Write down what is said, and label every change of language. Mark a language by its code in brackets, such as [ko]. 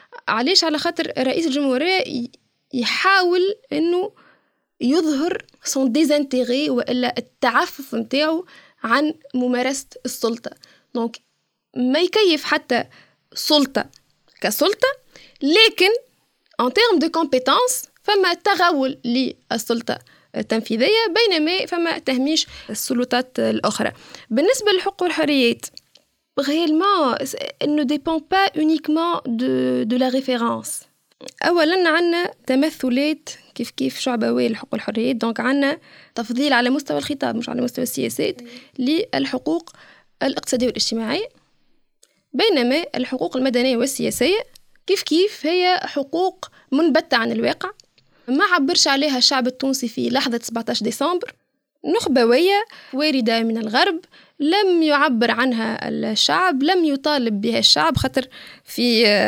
[ar] علاش؟ على خاطر رئيس الجمهورية يحاول انه يظهر سون ديزانتيغي والا التعفف نتاعو عن ممارسة السلطة. دونك ما يكيف حتى سلطة كسلطة، لكن [fr] en termes de compétences, [ar] فما تغول للسلطة التنفيذية بينما فما تهميش السلطات الأخرى. بالنسبة للحقوق والحريات [fr] réellement elle ne dépend pas uniquement de la référence. [ar] اولا عندنا تمثلات كيف كيف شعبوي الحقوق والحريات، دونك عندنا تفضيل على مستوى الخطاب مش على مستوى السياسات للحقوق الاقتصاديه والاجتماعيه، بينما الحقوق المدنيه والسياسيه كيف كيف هي حقوق منبته عن الواقع ما عبرش عليها الشعب التونسي في لحظه 17 ديسمبر، نخبويه وارده من الغرب لم يعبر عنها الشعب، لم يطالب بها الشعب، خطر في